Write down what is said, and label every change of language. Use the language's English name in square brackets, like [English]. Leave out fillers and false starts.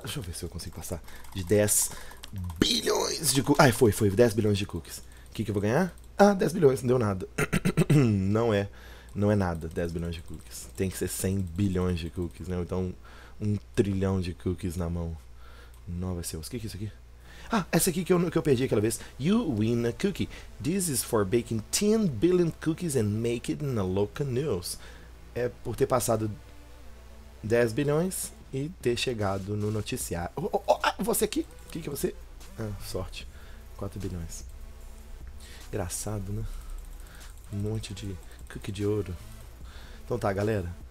[Portuguese] Deixa eu ver se eu consigo passar. De 10 bilhões de cookies. Ai, foi. 10 bilhões de cookies. O que que eu vou ganhar? Ah, 10 bilhões, não deu nada. Não é nada, 10 bilhões de cookies. Tem que ser 100 bilhões de cookies, né? Então, 1 trilhão de cookies na mão. Não vai ser. O que que é isso aqui? Ah, essa aqui que eu perdi aquela vez. [English] You win a cookie. This is for baking 10 billion cookies and make it in a local news. [Portuguese] É por ter passado 10 bilhões e ter chegado no noticiário. Você aqui? O que que você. Ah, sorte. 4 bilhões. Engraçado, né? Um monte de cookie de ouro. Então tá, galera.